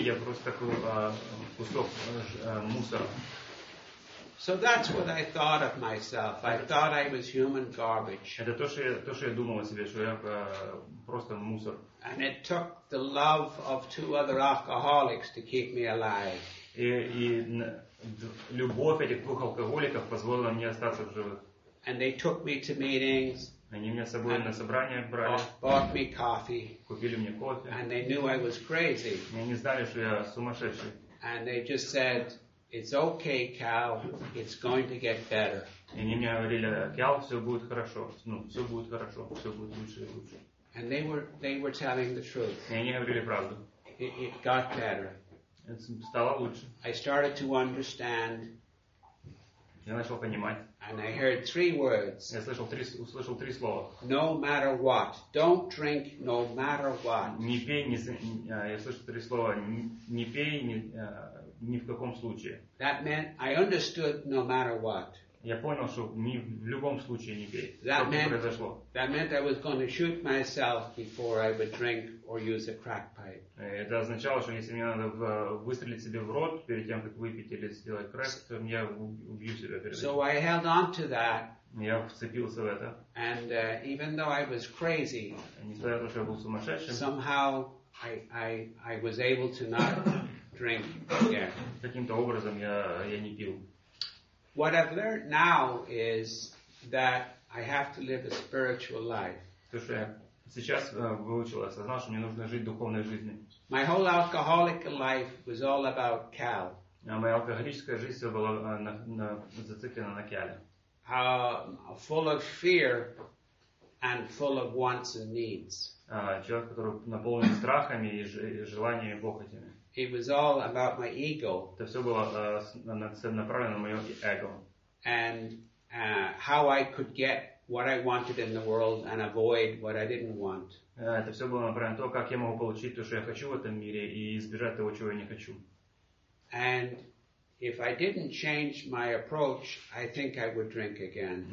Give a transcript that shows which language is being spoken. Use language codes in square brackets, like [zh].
[ru] Я просто такой кусок мусора. [en] So that's what I thought of myself. I thought I was human garbage. [ru] Это то, что я думал о себе, что я просто мусор. [en] And it took the love of two other alcoholics to keep me alive. [ru] И любовь этих двух алкоголиков позволила мне остаться в живых. [en] And they took me to meetings. [ru] Они меня с собой на собрания брали. [en] Bought me coffee. [ru] Купили мне кофе. [en] And they knew I was crazy. [ru] И они знали, что я сумасшедший. [en] And they just said, it's okay, Cal. It's going to get better. [ru] И они мне говорили, Кал, все будет хорошо. Ну, все будет хорошо, все будет лучше и лучше. [en] And they were telling the truth. [ru] И они говорили правду. [en] It got better. [ru] Это стало лучше. [en] I started to understand. [ru] Я начал понимать. [en] And I heard three words. [ru] Я услышал три слова. [en] No matter what. Don't drink no matter what. [ru] Не пей, я слышал три слова. Не пей, ни в каком случае. [en] That meant I understood no matter what. [ru] Я понял, что ни в любом случае не пей. [en] That meant I was going to shoot myself before I would drink or use a crack pipe. [ru] Это означало, что если мне надо выстрелить себе в рот перед тем, как выпить или сделать крэк, то я убью себя перед этим. [en] So I held on to that. [ru] Я вцепился в это. [en] And even though I was crazy, [ru] несмотря на то, что я был сумасшедшим, [en] somehow I was able to not drink [ru] каким-то образом я не пил. [en] What I've learned now is that I have to live a spiritual life. [ru] То, что я сейчас выучил, осознал, что мне нужно жить духовной жизнью. [en] My whole alcoholic life was all about Cal. [ru] А моя алкоголическая жизнь была зациклена на Кале. [en] Full of fear and full of wants and needs. [ru] Человек, который наполнен страхами и желаниями и похотями. [en] It was all about my ego. [ru] Это все было направлено на мое эго. [en] And how I could get what I wanted in the world and avoid what I didn't want. [ru] Это все было направлено на то, как я могу получить то, что я хочу в этом мире и избежать того, чего я не хочу. [en] And if I didn't change my approach, I think I would drink again.